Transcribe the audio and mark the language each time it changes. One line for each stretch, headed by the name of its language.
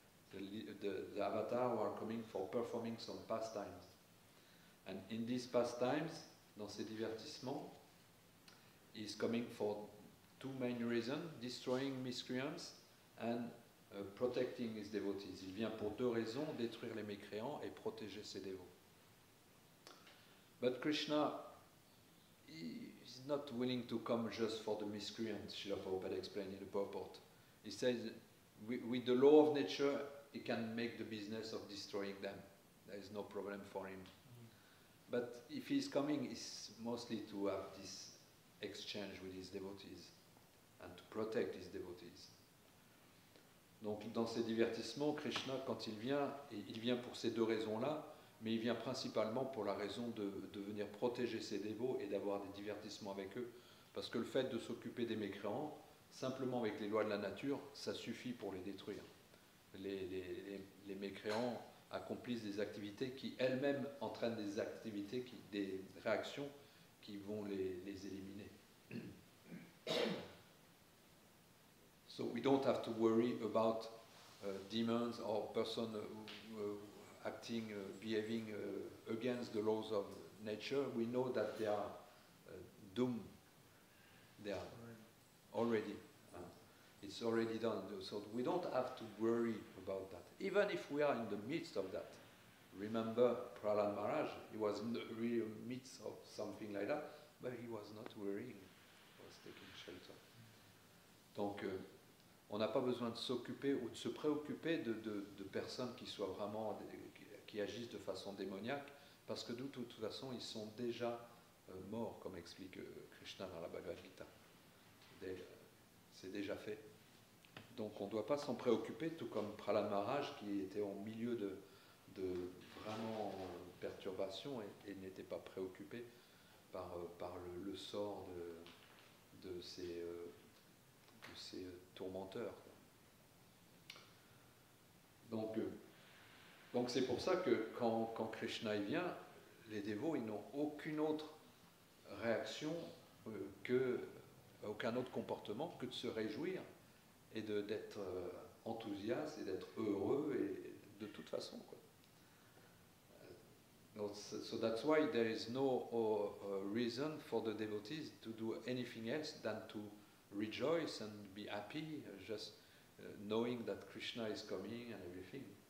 English: The avatar who are coming for performing some pastimes. And in these pastimes,
French: dans ces divertissements,
English: is coming for two main reasons, destroying miscreants and protecting his devotees.
French: Il vient pour deux raisons, détruire les mécréants et protéger ses dévots.
English: But Krishna, he is not willing to come just for the miscreant, Srila Prabhupada explained in the purport. He says, with the law of nature, he can make the business of destroying them. There is no problem for him. But if he's coming, it's mostly to have this exchange with his devotees and to protect his devotees.
French: Donc dans ces divertissements, Krishna, quand il vient, il vient pour ces deux raisons-là, mais il vient principalement pour la raison de venir protéger ses dévots et d'avoir des divertissements avec eux. Parce que le fait de s'occuper des mécréants, simplement avec les lois de la nature, ça suffit pour les détruire. Les mécréants accomplissent des activités qui elles-mêmes entraînent des activités, des réactions qui vont les éliminer.
English: So we don't have to worry about demons or persons acting, behaving against the laws of nature. We know that they are doomed. They are already. It's already done. So we don't have to worry about that. Even if we are in the midst of that. Remember Prahlad Maharaj, he was in the real midst of something like that, but he was not worrying. He was taking shelter.
French: Donc, on n'a pas besoin de s'occuper ou de se préoccuper de personnes qui soient vraiment qui agissent de façon démoniaque, parce que de toute façon, ils sont déjà morts, comme explique Krishna dans la Bhagavad Gita. C'est déjà fait. Donc on ne doit pas s'en préoccuper, tout comme Prahlad Maharaj qui était au milieu de vraiment perturbations et n'était pas préoccupé par le sort de ses tourmenteurs. Donc c'est pour ça que quand Krishna y vient, les dévots ils n'ont aucune autre réaction que aucun autre comportement que de se réjouir et d'être enthousiaste et d'être heureux et de toute façon quoi.
English: So that's why there is no reason for the devotees to do anything else than to rejoice and be happy just knowing that Krishna is coming and everything.